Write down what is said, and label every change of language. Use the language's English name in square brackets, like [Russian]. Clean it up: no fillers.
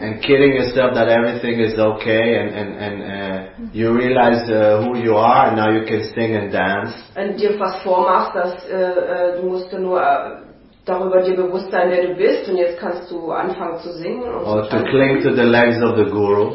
[English] And kidding yourself that everything is okay and you realize who you are and now you can sing and dance. [German] Und dir fast vormachst, dass du musst nur darüber dir bewusst sein, wer du bist, und jetzt kannst du anfangen zu singen. Und [English] or to cling to the legs of the guru.